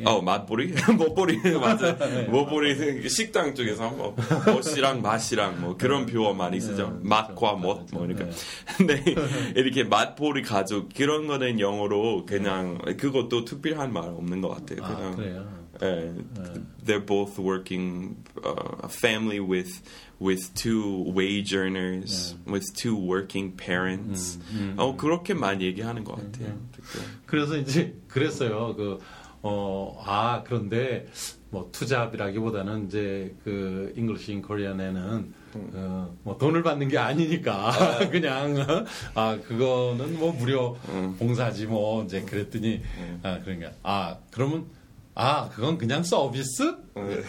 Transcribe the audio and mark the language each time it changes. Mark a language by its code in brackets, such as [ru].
[ko] 어, 맞벌이? 맞벌이 맞아. 맞벌이 식당 쪽에서 뭐 멋이랑 맛이랑 뭐 그런 표현 많이 쓰죠. 네, 맛과 멋 뭐 그러니까. 근데 이렇게 맞벌이 가족 그런 거는 영어로 그냥 그것도 특별한 말 없는 것 같아요. 그냥. 아, 그래요. [en] They're both working a family with two wage earners, yeah. with two working parents. [ko] 그렇게만 얘기하는 것 같아요. 그래서 이제 그랬어요. 그 어 아 그런데 뭐 투잡이라기보다는 이제 그 잉글리쉬인코리언에는 뭐 돈을 받는 게 아니니까 그냥 아 그거는 뭐 무료 봉사지 뭐 이제 그랬더니 아 그러니까 아 그러면 아, 그건 그냥 서비스? 네.